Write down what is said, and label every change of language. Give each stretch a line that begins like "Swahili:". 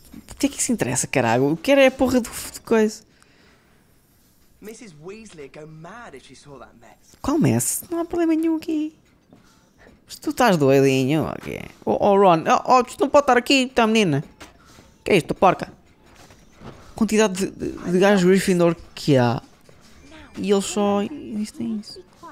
Portuguese: O que é que isso interessa, caralho? O que era é a porra de coisa?
English: Mrs. Weasley go mad if she saw that mess.
Portuguese: Qual mess? Não há problema nenhum aqui. Mas tu estás doidinho, ok. Oh, oh Ron, oh, oh, tu não pode estar aqui, tua menina. Que é isto, porca? Quantidade de gajos Gryffindor que há. E eles só existem isso.